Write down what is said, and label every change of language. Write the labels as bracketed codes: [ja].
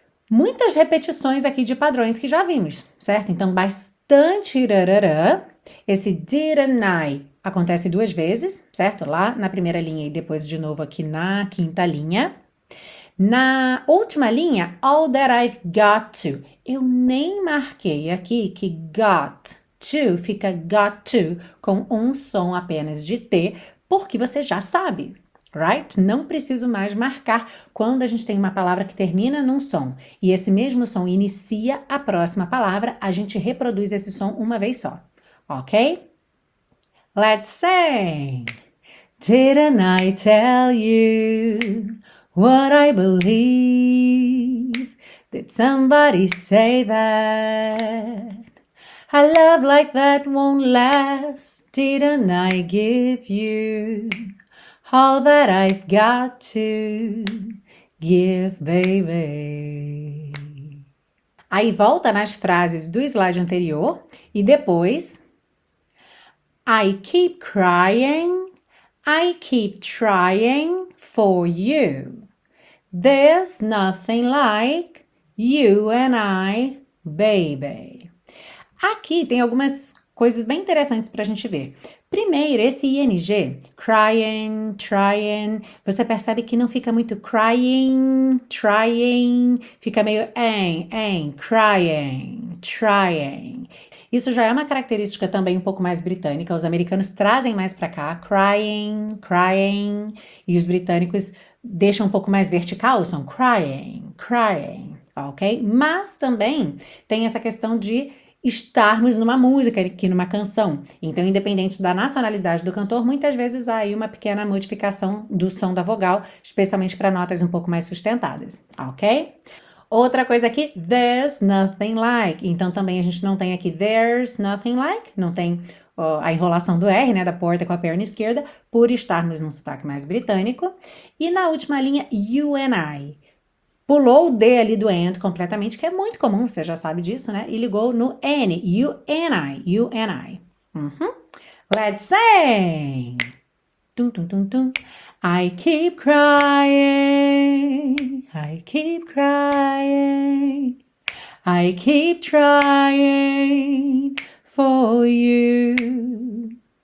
[pt] Muitas repetições aqui de padrões que já vimos, certo? Então, bastante irarará. Esse didn't I acontece duas vezes, certo? Lá na primeira linha e depois de novo aqui na quinta linha. Na última linha, [en] all that I've got to. [pt] Eu nem marquei aqui que got to fica got to com um som apenas de T, porque você já sabe, [en] right? [pt] Não preciso mais marcar quando a gente tem uma palavra que termina num som e esse mesmo som inicia a próxima palavra, a gente reproduz esse som uma vez só, ok? [en] Let's sing! Didn't I tell you what I believe? Did somebody say that? A love like that won't last. Didn't I give you all that I've got to give, baby? [pt] Aí volta nas frases do slide anterior e depois. [en] I keep crying, I keep trying for you. There's nothing like you and I, baby. [pt] Aqui tem algumas coisas bem interessantes para a gente ver. Primeiro, esse ing, crying, trying. Você percebe que não fica muito crying, trying. Fica meio crying, trying. Isso já é uma característica também um pouco mais britânica. Os americanos trazem mais para cá, crying, crying. E os britânicos deixam um pouco mais vertical, são crying, crying, ok? Mas também tem essa questão de estarmos numa música aqui, numa canção. Então, independente da nacionalidade do cantor, muitas vezes há aí uma pequena modificação do som da vogal, especialmente para notas um pouco mais sustentadas, ok? Outra coisa aqui, [en] there's nothing like. [pt] Então, também a gente não tem aqui [en] there's nothing like, [pt] não tem a enrolação do R, né, da porta com a perna esquerda, por estarmos num sotaque mais britânico. E na última linha, [en] you and I. [pt] Pulou o D ali do and completamente, que é muito comum, você já sabe disso, né? E ligou no N, you and I, you and I. [en] Let's sing! Tum, tum, tum, tum. I keep crying, I keep crying, I keep trying for you.